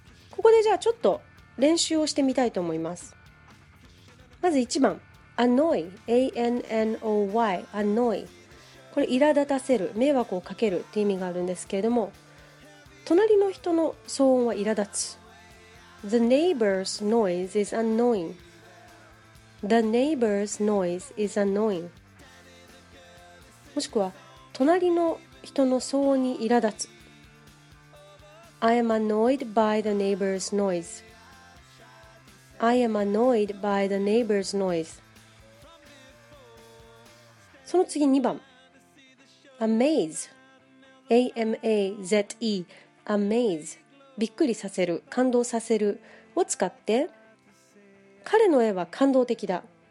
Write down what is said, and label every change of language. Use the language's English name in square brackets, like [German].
[Japanese] ここでじゃあちょっと練習をしてみたいと思います。まず1番、 annoy、 A-N-N-O-Y、 annoy、 これ苛立たせる、迷惑をかけるって意味があるんですけれども、隣の人の騒音は苛立つ。 [English] The neighbor's noise is annoying. The neighbor's noise is annoying. [Japanese] もしくは隣の人の騒音に苛立つ。 [English] I am annoyed by the neighbor's noise. I am annoyed by the neighbor's noise. [Japanese] その次2番、 Amaze, A-M-A-Z-E、Amaze、 びっくりさせる、感動させるを使って、彼の絵は感動的だ。